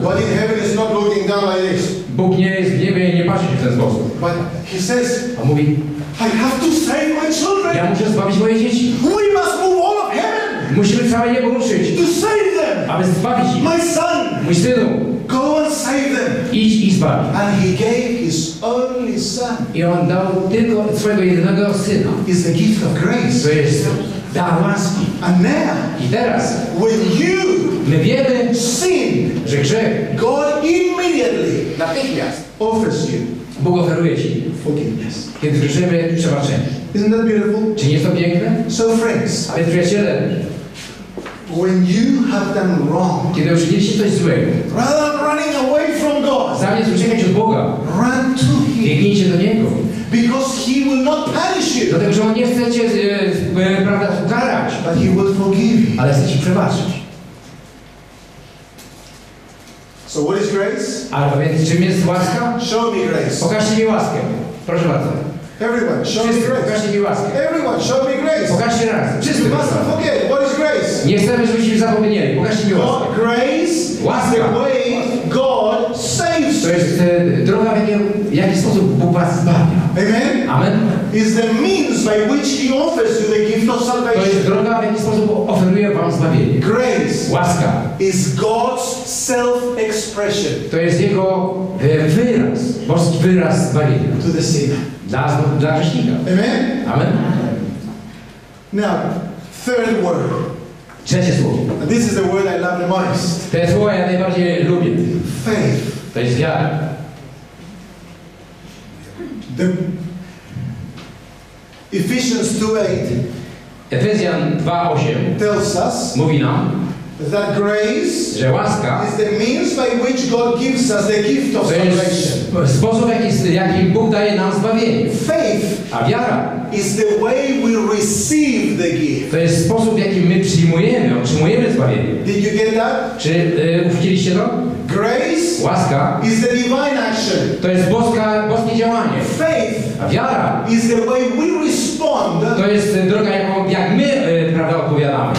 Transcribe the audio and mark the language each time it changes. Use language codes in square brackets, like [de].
[en] God in heaven is not looking down like this. [pl] Bóg nie jest w niebie i nie patrzy w ten sposób. [en] But he says, [pl] a mówi, [en] I have to save my children. [pl] Ja muszę zbawić moje dzieci. [en] We must move all of heaven. [pl] Musimy całe niebo ruszyć. [en] To save them. [pl] Aby zbawić ich. [en] My son. [pl] Mój synu. [en] Go and save them. [pl] Idź i zbawić. [en] And he gave his only son. [pl] I on dał tylko swojego jedynego syna. [en] Is the gift of grace. [pl] To jest dar łaski. [en] And now, [pl] i teraz, [en] when you, [pl] my wiemy, [en] sin, [pl] że grzech, [en] God immediately, [pl] natychmiast, [en] offers you, [pl] Bóg oferuje ci [en] forgiveness. [pl] Kiedy grzeszymy, przebaczenie. [en] Isn't that beautiful? [pl] Czy nie jest to piękne? [en] So friends. [pl] A więc przyjaciele. [en] When you have done wrong, [pl] kiedy uczyniłeś coś złego, [en] rather than running away from God, [pl] zamiast uciekać od Boga, [en] run to him, [pl] biegnijcie do Niego, [en] because he will not punish you, [pl] dlatego że On nie chce cię prawda ukarać, [en] but he will forgive you, [pl] ale chce ci przebaczyć. [en] So what is grace? [pl] A więc czym jest łaska? [en] Show me grace. [pl] Pokażcie mi łaskę, proszę bardzo. [en] Everyone, show [pl] wszyscy, [en] me grace. [pl] Pokażcie mi łaskę. [en] Everyone, show me grace. [pl] Pokażcie raz. [en] Wszyscy, must not forget. What is grace? [pl] Nie chcemy, żebyśmy zapomnieli. Pokażcie mi łaskę. [en] Grace. [pl] Łaska. [en] The way God saves. [pl] To jest droga, w jaki sposób Bóg was zbawia. [en] Amen. [pl] Amen. [en] Is the means by which He offers you the gift of salvation. [pl] To jest droga, w jaki sposób oferuje wam zbawienie. [en] Grace. [pl] Łaska. [en] Is God's self-expression. [pl] To jest jego wyraz, boski wyraz zbawienia. [en] To the sinner. [pl] Dla grzesznika. [en] Amen. [pl] Amen. [en] Now, third word. [pl] Trzecie słowo. [en] And this is the word I love the most. [pl] Te słowa ja najbardziej lubię. [en] Faith. [pl] To jest wiara. [en] Ephesians 2:8. [pl] Efezjan 2:8. [en] Tells us. [pl] Mówi nam. [en] That grace, [pl] że łaska, [en] is the means by which God gives us the gift of salvation. [pl] Sposób, jaki Bóg daje nam zbawienie. [en] Faith, [pl] a wiara, [en] is the way we receive the gift. [pl] To jest sposób, w jakim my otrzymujemy zbawienie. [en] Did you get that? [pl] Czy uchwyciliście to? [en] Grace, [pl] łaska, [en] is the divine action. [pl] To jest boskie działanie. [en] Faith, [pl] a wiara, [en] is the way we respond. [pl] To jest droga, jak my prawda odpowiadamy.